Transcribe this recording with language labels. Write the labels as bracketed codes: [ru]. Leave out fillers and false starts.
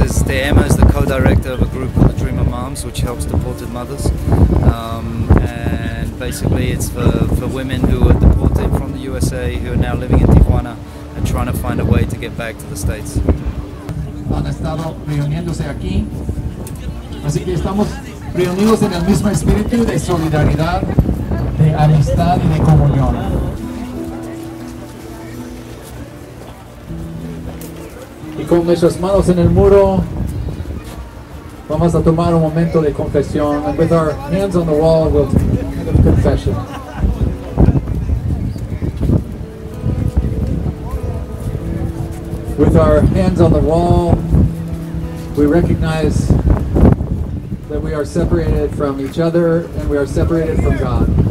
[en] Emma is the co-director of a group called the Dreamer Moms, which helps deported mothers. And basically it's for women who are deported from the USA who are now living in Tijuana and trying to find a way to get back to the States. [es] Han estado reuniéndose aquí, así que estamos reunidos en el mismo espíritu de solidaridad, de amistad y de comunión. Y con nuestras manos en el muro, vamos a tomar un momento de confesión. [en] And with our hands on the wall, we'll take a confession. With our hands on the wall, we recognize that we are separated from each other and we are separated from God.